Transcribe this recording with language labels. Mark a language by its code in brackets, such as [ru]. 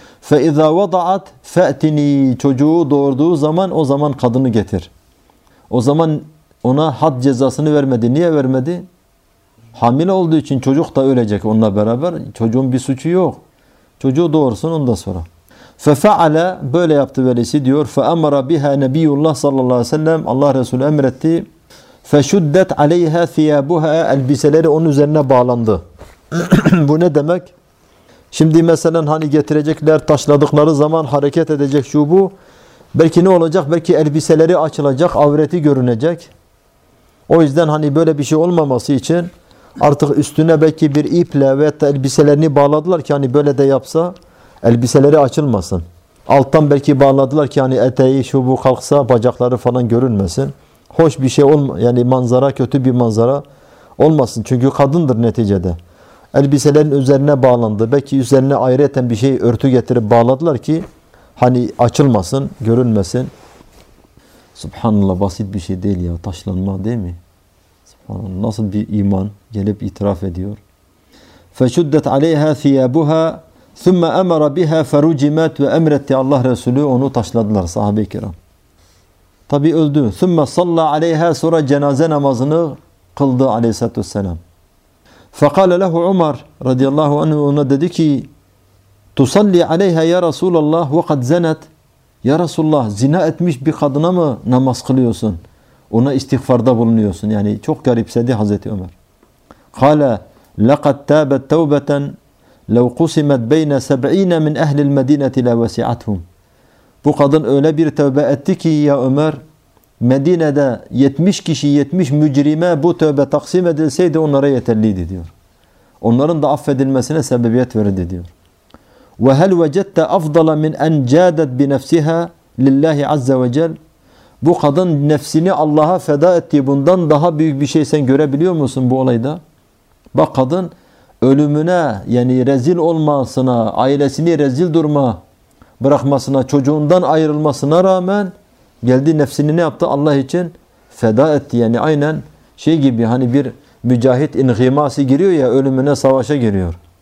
[ar] فَإِذَا وَضَعَتْ فَأْتِنِي, [tr] çocuğu doğurduğu zaman o zaman kadını getir. O zaman ona had cezasını vermedi. Niye vermedi? Hamile olduğu için çocuk da ölecek onunla beraber. Çocuğun bir suçu yok. Çocuğu doğursun ondan sonra. [ar] فَفَعَلَ, [tr] böyle yaptı velisi diyor. [ar] فَأَمَرَ بِهَا نَبِيُّ اللّٰهِ صَلَّى اللّٰهُ عَلَيْهِ وَسَلَّمْ, [tr] Allah Resulü emretti. [ar] فَشُدَّتْ عَلَيْهَا ثِيَابُهَا, [tr] elbiseleri onun üzerine bağlandı. Bu ne demek? Şimdi mesela hani getirecekler, taşladıkları zaman hareket edecek şu bu. Belki ne olacak? Belki elbiseleri açılacak, avreti görünecek. O yüzden hani böyle bir şey olmaması için artık üstüne belki bir iple veyahut da elbiselerini bağladılar ki hani böyle de yapsa elbiseleri açılmasın. Alttan belki bağladılar ki hani eteği şu bu kalksa bacakları falan görünmesin. Hoş bir şey olma, yani manzara, kötü bir manzara olmasın. Çünkü kadındır neticede. Elbiselerin üzerine bağlandı. Belki üzerine ayrıyeten bir şey, örtü getirip bağladılar ki hani açılmasın, görünmesin. Subhanallah, basit bir şey değil ya. Taşlanma, değil mi? Subhanallah, nasıl bir iman gelip itiraf ediyor. [ar] فَشُدَّتْ عَلَيْهَا ثِيَابُهَا ثُمَّ أَمَرَ بِهَا فَرُجِمَتْ وَاَمْرَتْتِ, [tr] Allah Resulü onu taşladılar, sahabe-i kiram. Tabi öldü. [ar] ثُمَّ صَلَّ عَلَيْهَا, [tr] sonra cenaze namazını kıldı aleyhissalatü vesselam. [ar] فَقَالَ لَهُ عُمَرْ رَضِيَ اللّٰهُ عَنْهُ, [tr] ona dedi ki, [ar] تُصَلِّ عَلَيْهَا يَا رَسُولَ اللّٰهُ وَقَدْ زَنَتْ, [tr] ya Resulullah, zina etmiş bir kadına mı namaz kılıyorsun? Ona istiğfarda bulunuyorsun. Yani çok garipsedi Hazreti Ömer. [ar] قَالَ لَقَدْ تَابَتْ تَوْبَةً لَوْ قُسِمَتْ بَيْنَ سَبْعِينَ مِنْ اَهْلِ الْمَد۪ينَةِ لَا وَسِعَتْهُمْ, [tr] bu kadın öyle bir tövbe etti ki ya Ömer, Medine'de 70 kişi, 70 mücrime bu tövbe taksim edilseydi onlara yeterliydi diyor. Onların da affedilmesine sebebiyet verildi diyor. [ar] وَهَلْ وَجَدْتَ أَفْضَلَ مِنْ اَنْ جَادَتْ بِنَفْسِهَا لِلّٰهِ عَزَّ وَجَلَّ, [tr] bu kadın nefsini Allah'a feda etti. Bundan daha büyük bir şey sen görebiliyor musun bu olayda? Bak, kadın ölümüne, yani rezil olmasına, ailesini rezil durma bırakmasına, çocuğundan ayrılmasına rağmen geldi nefsini ne yaptı? Allah için feda etti. Yani aynen şey gibi, hani bir mücahit inhiması giriyor ya, ölümüne savaşa giriyor.